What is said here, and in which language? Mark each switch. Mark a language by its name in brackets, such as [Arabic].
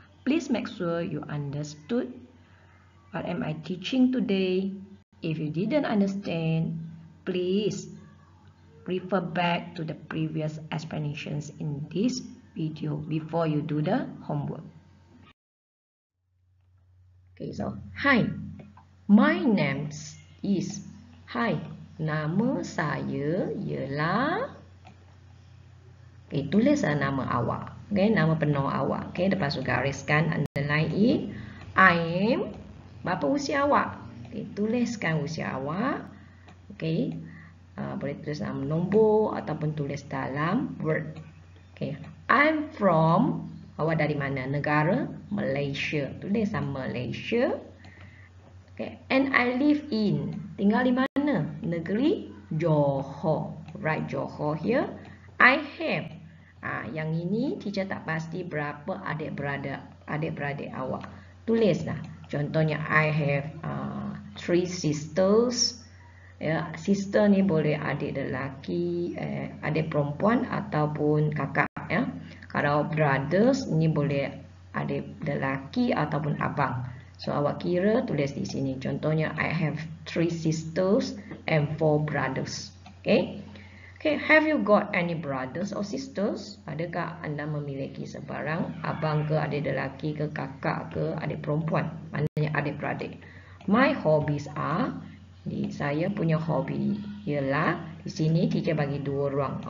[English] Please make sure you understood what am I teaching today. If you didn't understand, please refer back to the previous explanations in this video before you do the homework. Okay, so, hi, my name is, hi, [Malay] nama saya ialah... Okay, tulislah nama awak. Okay, nama penuh awak. Okay, lepas tu gariskan underline E. I am. Berapa usia awak? Okay, tuliskan usia awak. Okay, boleh tulis nama nombor ataupun tulis dalam word. Okay, [English] I'm from. [Malay] Awak dari mana? Negara? Malaysia. Tulislah Malaysia. Okay, [English] and I live in. [Malay] Tinggal di mana? Negeri? Johor. [English] Write Johor here. I have. [Malay] Yang ini teacher tak pasti berapa adik-beradik awak. Tulislah. [English] Contohnya, I have three sisters. [Malay] Yeah, sister ni boleh adik lelaki, adik perempuan ataupun kakak. Yeah. Kalau brothers ni boleh adik lelaki ataupun abang. So, awak kira tulis di sini. [English] Contohnya, I have three sisters and four brothers. Okay. Okay, have you got any brothers or sisters? [Malay] Adakah anda memiliki sebarang abang ke, adik lelaki ke, kakak ke, adik perempuan? Maknanya adik-beradik. [English] My hobbies are, [Malay] saya punya hobi ialah, di sini teacher bagi dua ruang.